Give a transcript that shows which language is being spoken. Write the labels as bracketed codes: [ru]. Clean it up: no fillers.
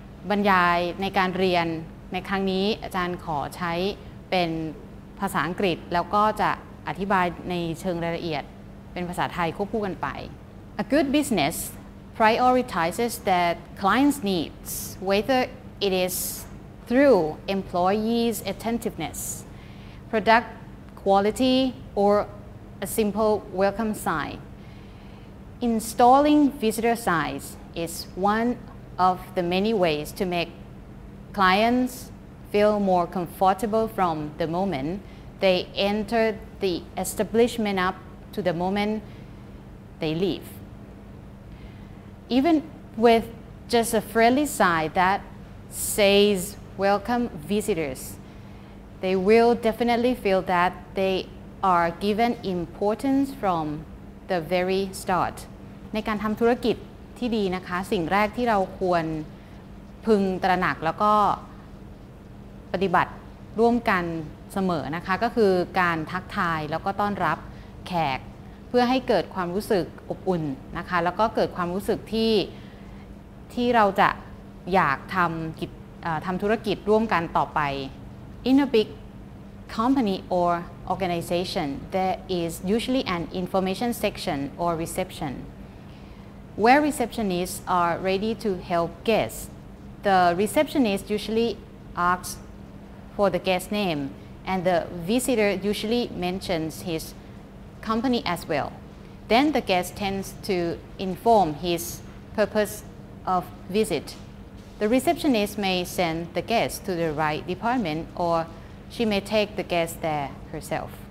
[th] บรรยายในการเรียนในครั้งนี้อาจารย์ขอใช้เป็นภาษาอังกฤษแล้วก็จะอธิบายในเชิงรายละเอียดเป็นภาษาไทยควบคู่กันไป [en] A good business prioritizes that client's needs whether it is through employees' attentiveness, product quality, or a simple welcome sign. Installing visitor signs is one of the many ways to make clients feel more comfortable from the moment they enter the establishment up to the moment they leave. Even with just a friendly sign that says welcome visitors, they will definitely feel that they are given importance from the very start. [th] ในการทำธุรกิจที่ดีนะคะสิ่งแรกที่เราควรพึงตระหนักแล้วก็ปฏิบัติร่วมกันเสมอนะคะก็คือการทักทายแล้วก็ต้อนรับแขกเพื่อให้เกิดความรู้สึกอบอุ่นนะคะแล้วก็เกิดความรู้สึก ที่เราจะอยากทำธุรกิจร่วมกันต่อไป [en] In a big company or organization there is usually an information section or receptionWhere receptionists are ready to help guests, the receptionist usually asks for the guest name, and the visitor usually mentions his company as well. Then the guest tends to inform his purpose of visit. The receptionist may send the guest to the right department, or she may take the guest there herself.